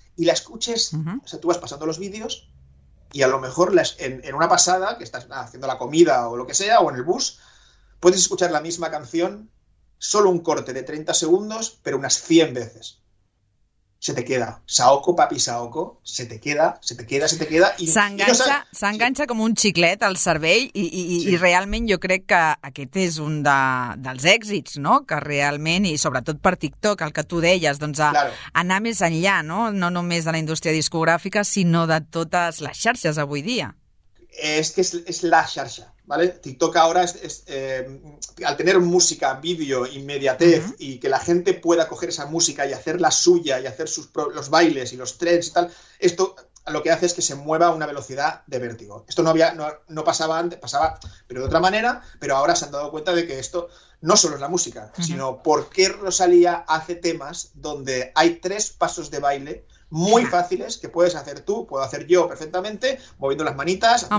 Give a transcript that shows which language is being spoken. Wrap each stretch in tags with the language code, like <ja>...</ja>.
<es>Y la escuches, o sea, tú vas pasando los vídeos y a lo mejor en una pasada, que estás haciendo la comida o lo que sea, o en el bus, puedes escuchar la misma canción, solo un corte de 30 segundos, pero unas 100 veces. Se te queda. Saoko, papi, Saoko, se te queda.</es> <ca>S'enganxa como un xiclet al cervell i realment jo crec que aquest és un dels èxits, no? Que realment, i sobretot per TikTok, el que tu deies, doncs anar més enllà, no? No només de la indústria discogràfica, sinó de totes les xarxes avui dia. És que és la xarxa, ¿vale?</ca> <es>TikTok ahora es al tener música, vídeo, inmediatez y que la gente pueda coger esa música y hacerla suya y hacer los bailes y los trends y tal, esto lo que hace es que se mueva a una velocidad de vértigo. Esto no pasaba antes, pasaba pero de otra manera, pero ahora se han dado cuenta de que esto no solo es la música, sino por qué Rosalía hace temas donde hay tres pasos de baile muy fáciles, que puedes hacer tú, puedo hacer yo perfectamente, moviendo las manitas...</es>